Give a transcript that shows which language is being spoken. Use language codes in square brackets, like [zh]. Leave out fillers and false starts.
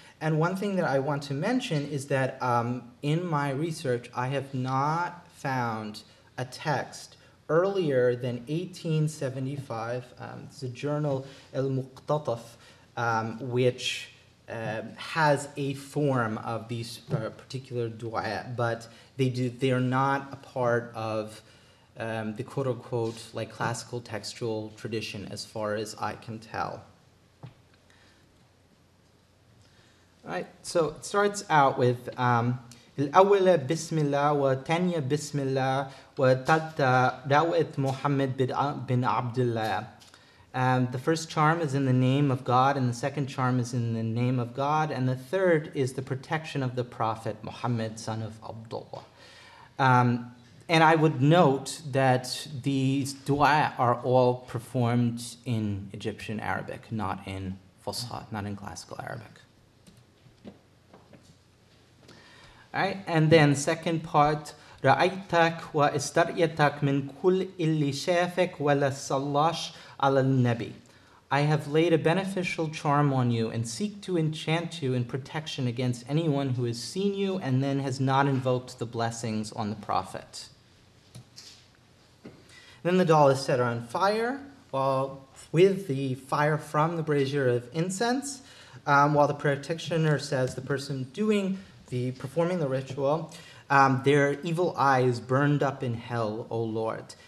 [en] And one thing that I want to mention is that in my research, I have not found a text earlier than 1875. It's a journal, Al-Muqtataf, which has a form of these particular du'a, but they are not a part of the quote-unquote like classical textual tradition as far as I can tell. Right, so it starts out with [ar] الأولى بسم الله والثانية بسم الله والثالثة رواية محمد بن عبد الله. [en] The first charm is in the name of God, and the second charm is in the name of God, and the third is the protection of the Prophet Muhammad, son of Abdullah. And I would note that these du'a are all performed in Egyptian Arabic, not in Fusha, not in classical Arabic. All right, and then second part, [ar] رأيتك واسترأيتك من كل اللي شافك ولا صلاش على النبي. [en] I have laid a beneficial charm on you and seek to enchant you in protection against anyone who has seen you and then has not invoked the blessings on the Prophet. Then the doll is set on fire, while with the fire from the brazier of incense, while the practitioner says the person doing the performing the ritual, their evil eyes burned up in hell, O Lord.